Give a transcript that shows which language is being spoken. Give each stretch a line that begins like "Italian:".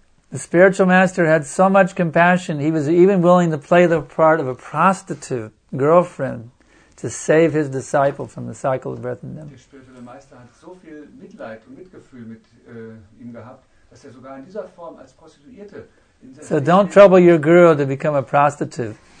English: The spiritual master had so much compassion, he was even willing to play the part of a prostitute girlfriend to save his disciple from the cycle of birth and death.
German: Der spirituelle Meister hat so viel Mitleid und Mitgefühl mit ihm gehabt, dass er sogar in dieser Form als Prostituierte...
English: So don't trouble your guru to become a prostitute.